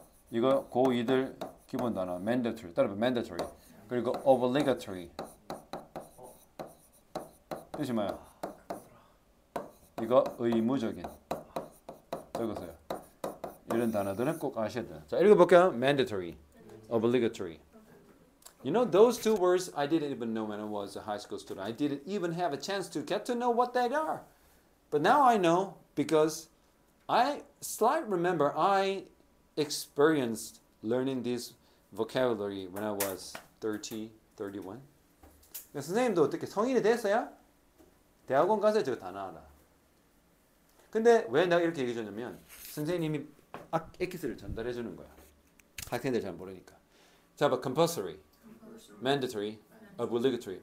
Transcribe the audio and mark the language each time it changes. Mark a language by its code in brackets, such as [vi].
[ko] 이거 고2들 기본 단어 mandatory. 따라해봐 mandatory. 그리고 obligatory. 뜻이 뭐야? 이거 의무적인. 읽으세요. 이런 단어들은 꼭 아셔야 돼. 자 읽어볼게요. mandatory, obligatory. [en] You know those two words I didn't even know when I was a high school student. I didn't even have a chance to get to know what they are. But now I know because I slightly remember I experienced learning this vocabulary when I was 30, 31. [ko] 선생님도 어떻게 성인이 됐어요? 대학원 가서 저거 다 나와라. 근데 왜 내가 이렇게 얘기해줬냐면 선생님이 액기스를 전달해주는 거야. 학생들 잘 모르니까. 자, 봐 compulsory, mandatory, obligatory.